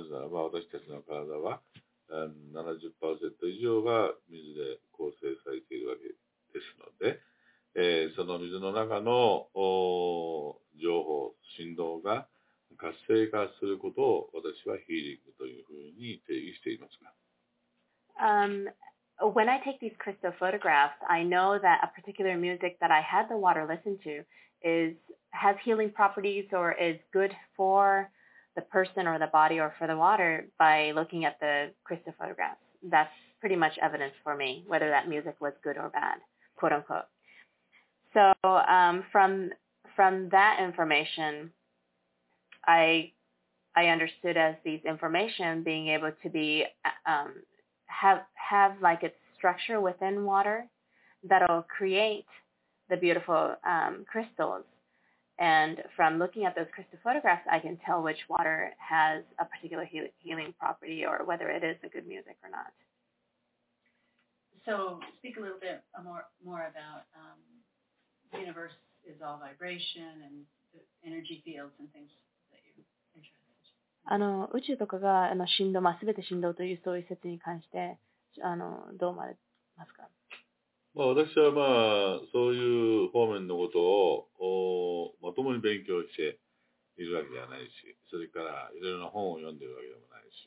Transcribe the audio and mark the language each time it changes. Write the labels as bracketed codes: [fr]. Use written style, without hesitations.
[ja] なぜならば私たちの体は 70% 以上が水で構成されているわけですので、その水の中の情報、振動が活性化することを私はヒーリングというふうに定義していますが。 [en] When I take these crystal photographs, I know that a particular music that I had the water listen to has healing properties or is good for the person or the body or for the water by looking at the crystal photographs. That's pretty much evidence for me, whether that music was good or bad, quote unquote. So from that information, I understood as these information being able to be have like its structure within water that'll create the beautiful crystals. And from looking at those crystal photographs, I can tell which water has a particular healing property or whether it is a good music or not. So speak a little bit more about the universe is all vibration and the energy fields and things that you're interested in. [ja] あの、宇宙とかが、あの、振動、まあ、全て振動というそういう説に関して、あの、どう思われますか？まあ、私はまあ、そういう方面のことを、まともに勉強しているわけではないし、それからいろいろな本を読んでいるわけでもない